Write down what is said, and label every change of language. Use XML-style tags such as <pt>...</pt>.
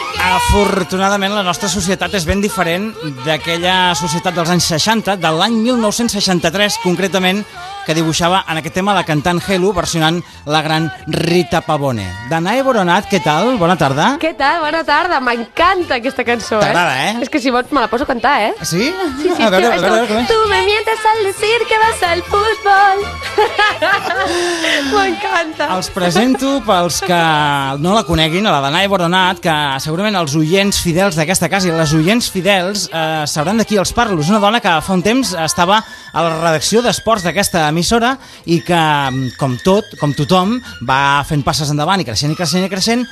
<ca>Afortunadament, la nostra societat és ben diferent d'aquella societat dels anys 60, de l'any 1963, concretament, que dibuixava en aquest tema la cantant Helu versionant la gran Rita Pavone. Danae Boronat, què tal? Bona tarda. Què tal? Bona tarda. M'encanta aquesta cançó. T'agrada, eh? És que si vols me la poso a cantar, eh? Sí? Sí, sí, a veure.</ca> <es>Tu me mientes al decir que vas al futbol.</es> <ca>M'encanta. Els presento pels que no la coneguin, a la Danae Boronat, que segurament els oients fidels d'aquesta casa i les oients fidels sabran de qui els parlo. És una dona que fa un temps estava a la redacció d'esports d'aquesta emissora i que, com tot, com tothom, va fent passes endavant i creixent i creixent i creixent.</ca>